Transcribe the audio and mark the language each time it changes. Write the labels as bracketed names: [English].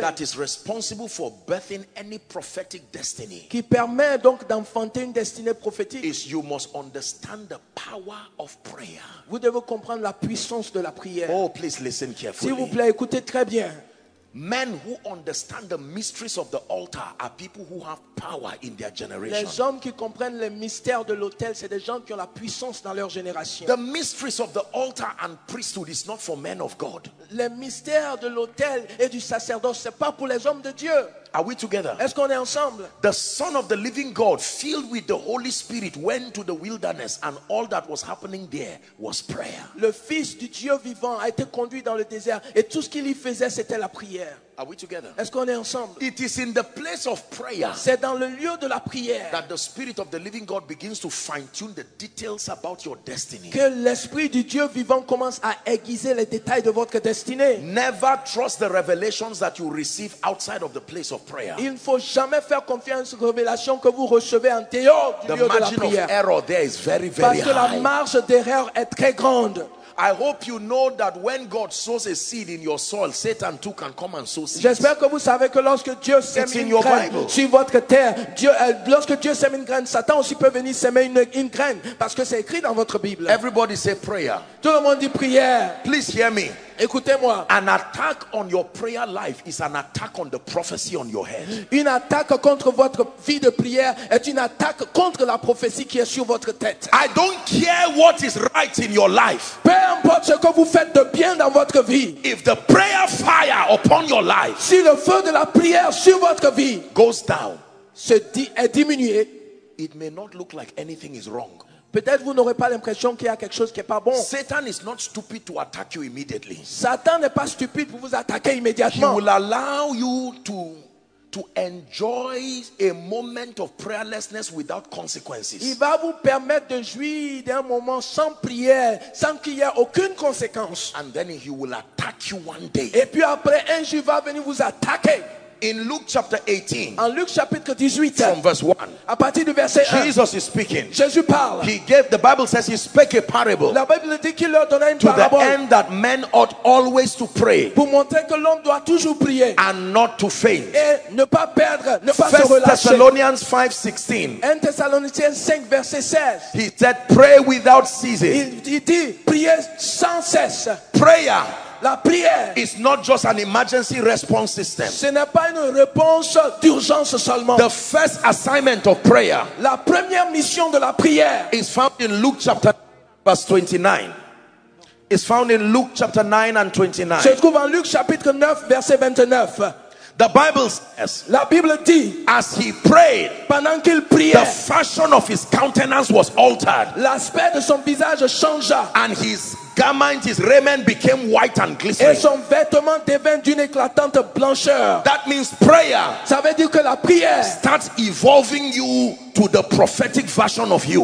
[English] That is responsible for birthing any prophetic destiny. [French] Qui permet donc d'enfanter une destinée prophétique. [English] Is you must understand the power of prayer. [French] Vous devez comprendre la puissance de la prière. [English] Oh, please listen carefully. [French] S'il vous plaît, écoutez très bien. [English] Men who understand the mysteries of the altar are people who have power in their generation. [French] Les hommes qui comprennent les mystères de l'autel, c'est des gens qui ont la puissance dans leur génération. [English] The mysteries of the altar and priesthood is not for men of God. [French] Les mystères de l'autel et du sacerdoce, c'est pas pour les hommes de Dieu. [English] Are we together? [French] Est-ce qu'on est ensemble? [English] The Son of the Living God, filled with the Holy Spirit, went to the wilderness, and all that was happening there was prayer. [French] Le Fils du Dieu vivant a été conduit dans le désert, et tout ce qu'il y faisait, c'était la prière. [English] Are we together? [French] Est-ce qu'on est ensemble? [English] It is in the place of prayer. [French] C'est dans le lieu de la prière [English] that the Spirit of the Living God begins to fine-tune the details about your destiny. [French] Que l'Esprit du Dieu vivant commence à aiguiser les détails de votre destinée. [English] Never trust the revelations that you receive outside of the place of prayer. [French] Il ne faut jamais faire confiance aux révélations que vous recevez en dehors du [English] the [French] lieu de la [English] prière. The margin of error there is very, very [French] parce que [English] high. [French] La marge d'erreur est très grande. [English] I hope you know that when God sows a seed in your soil, Satan too can come and sow seeds. [French] J'espère que vous savez que lorsque Dieu sème une graine sur votre terre, lorsque Dieu sème une graine, Satan aussi peut venir semer une graine parce que c'est écrit dans votre Bible. [English] Everybody say prayer. [French] Tout le monde dit prière. [English] Please hear me. [French] Écoutez-moi. [English] An attack on your prayer life is an attack on the prophecy on your head. [French] Une attaque contre votre vie de prière est une attaque contre la prophétie qui est sur votre tête. [English] I don't care what is right in your life. [French] Peu importe ce que vous faites de bien dans votre vie. [English] If the prayer fire upon your life, [French] si le feu de la prière sur votre vie [English] goes down, [French] est diminué, [English] it may not look like anything is wrong. [French] Peut-être vous n'aurez pas l'impression qu'il y a quelque chose qui n'est pas bon. [English] Satan is not stupid to attack you immediately. [French] Satan n'est pas stupide pour vous attaquer immédiatement. [English] He will allow you to enjoy a moment of prayerlessness without consequences. [French] Il va vous permettre de jouir d'un moment sans prière, sans qu'il y ait aucune conséquence. [English] And then he will attack you one day. [French] Et puis après, un jour, il va venir vous attaquer. [English] In Luke chapter 18, [French] en Luc chapitre 18, [English] from verse 1, [French] à partir du verset 1, [English] Jesus is speaking. [French] Jésus parle. [English] He gave the Bible says he spake a parable. [French] La Bible dit qu'il leur donna une [English] to [French] parabole. [English] To the end that men ought always to pray. [French] Pour montrer que l'homme doit toujours prier. [English] And not to faint. [French] Et ne pas perdre, ne pas [English] First [French] se relâcher. [English] 1 Thessalonians 5:16. 1 Thessalonians 5:16. He said, "Pray without ceasing." [French] Il dit, priez sans cesse. [English] Prayer. [French] La prière [English] is not just an emergency response system. [French] Ce n'est pas une réponse d'urgence seulement. [English] The first assignment of prayer. [French] La première mission de la prière [English] is found in Luke chapter 9, verse 29. It's found in Luke chapter 9 and 29. [French] Se trouve en Luc chapitre 9 verset 29. [English] The Bible says, [French] la Bible dit, [English] as he prayed, [French] pendant qu'il priait, [English] the fashion of his countenance was altered. [French] L'aspect de son visage changea, [English] and his garment, his raiment became white and glistening. [French] Et son vêtement devint d'une éclatante blancheur. [English] That means prayer. [French] Ça veut dire que la prière [English] starts evolving you to the prophetic version of you.